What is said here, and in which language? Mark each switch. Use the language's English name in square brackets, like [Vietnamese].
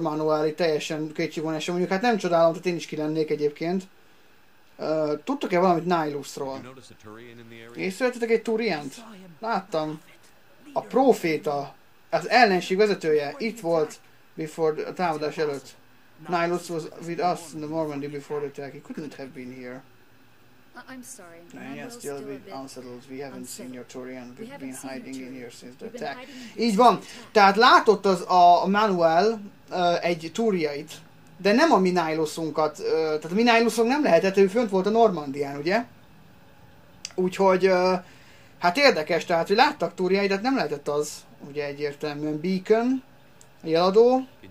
[Hungarian] Manuali teljesen kétségvonása. Mondjuk hát nem csodálom, tehát én is ki lennék egyébként. Tudtok-e valamit Nihilusról? Észrevettetek egy Turient? Láttam. A proféta, az ellenség vezetője itt volt [English] before [Hungarian] a támadás előtt. [English] Nihilus was with us in the Normandy before the attack. He couldn't have been here. I'm sorry. No, yeah, still a bit unsettled. We haven't seen your Turian. We've been hiding in here since the attack. [Hungarian] Így van. Tehát látott az a Manuel egy Turiait. De nem a mi Nihilusunkat, tehát a mi Nihilusunk nem lehetett, ő fönt volt a Normandián, ugye? Úgyhogy, hát érdekes, tehát hogy láttak Turiait, de nem lehetett az, ugye egyértelműen Beacon, a jeladó.